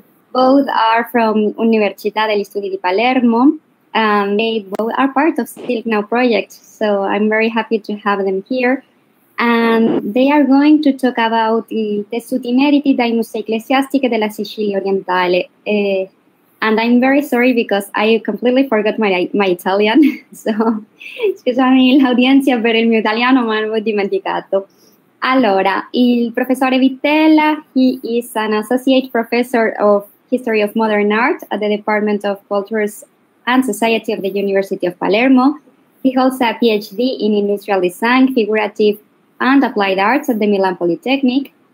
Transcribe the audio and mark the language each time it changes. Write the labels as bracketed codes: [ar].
[en] Both are from Università degli Studi di Palermo, and they both are part of Silk Now project, so I'm very happy to have them here. And they are going to talk about the [it] tessuti meriti dai musei ecclesiastici della Sicilia orientale. [en] And I'm very sorry because I completely forgot my Italian. [it] So, scusami l'audienza per il mio italiano, ma l'ho dimenticato. Allora, il professore [en] Vitella, he is an associate professor of History of Modern Art at the Department of Cultures and Society of the University of Palermo. He holds a PhD in Industrial Design, Figurative and Applied Arts at the Milan Polytechnic.